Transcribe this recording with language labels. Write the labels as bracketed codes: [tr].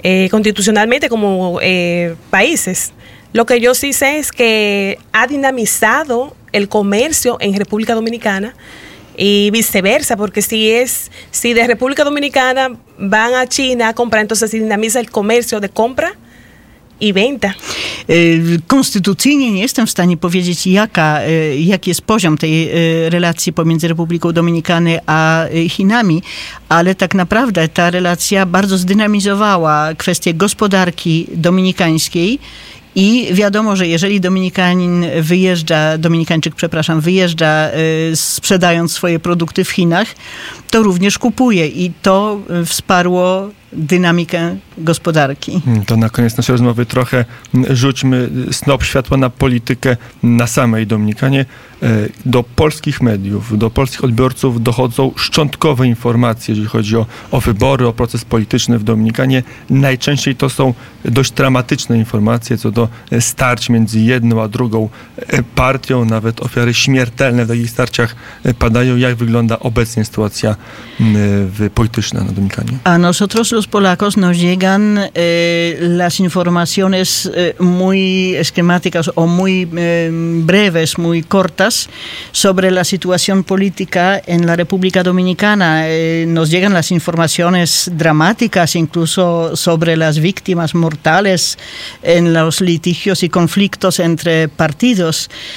[es] Constitucionalmente como países. Lo que yo sí sé es que ha dinamizado el comercio en República Dominicana y viceversa, porque si de República Dominicana van a China a comprar, entonces se dinamiza el comercio de compra i venta. [pl] Konstytucyjnie nie jestem w stanie powiedzieć, jaki jest poziom tej relacji pomiędzy Republiką Dominikany a Chinami, ale tak naprawdę ta relacja bardzo zdynamizowała kwestię gospodarki dominikańskiej i wiadomo, że jeżeli Dominikańczyk wyjeżdża, sprzedając swoje produkty w Chinach, to również kupuje i to wsparło dynamikę gospodarki. To na koniec naszej rozmowy trochę rzućmy snop światła na politykę na samej Dominikanie. Do polskich mediów, do polskich odbiorców dochodzą szczątkowe informacje, jeżeli chodzi o wybory, o proces polityczny w Dominikanie. Najczęściej to są dość dramatyczne informacje co do starć między jedną a drugą partią. Nawet ofiary śmiertelne w takich starciach padają. Jak wygląda obecnie sytuacja polityczna na Dominikanie? [es] A nosotros los polacos nos llegan las informaciones muy esquemáticas o muy breves, muy cortas sobre la situación política en la República Dominicana. Nos llegan las informaciones dramáticas incluso sobre las víctimas mortales en los litigios y conflictos entre partidos.